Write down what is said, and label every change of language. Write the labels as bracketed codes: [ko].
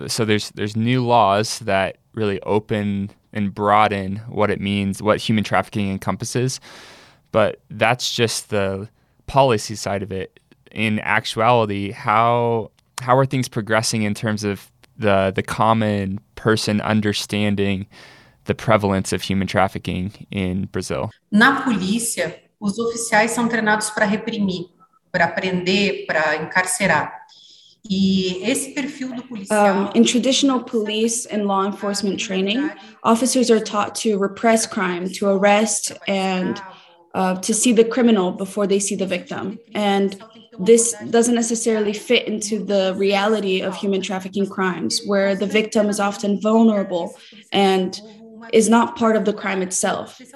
[en] So there's new laws that really open and broaden what it means, what human trafficking encompasses, but that's just the policy side of it. In actuality, how are things progressing in terms of the common person understanding the prevalence of human trafficking in Brazil? [pt] Na polícia, os oficiais são treinados para reprimir, para prender, para encarcerar. E esse perfil do policial... [en] In traditional police and law enforcement training, officers are taught to repress crime, to arrest and to see the criminal before they see the victim. And this doesn't necessarily fit into the reality of human trafficking crimes, where the victim is often vulnerable and is not part of the crime itself.